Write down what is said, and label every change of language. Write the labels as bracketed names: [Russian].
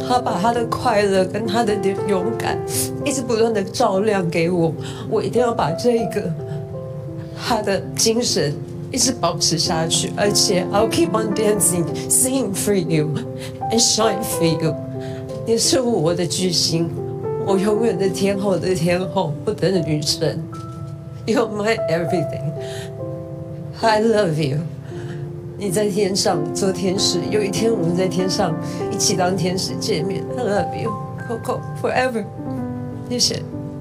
[Chinese] 他把他的快乐跟他的勇敢一直不断的照亮给我，我一定要把这个他的精神一直保持下去，而且 [English] I'll keep on dancing, singing for you and shine for you. [Chinese] 你是我的巨星，我永远的天后的天后，我的女神。 [English] You're my everything, I love you. [Chinese] 你在天上做天使，有一天我们在天上一起当天使见面。 [English] I love you, Coco, forever. [Chinese] 谢谢。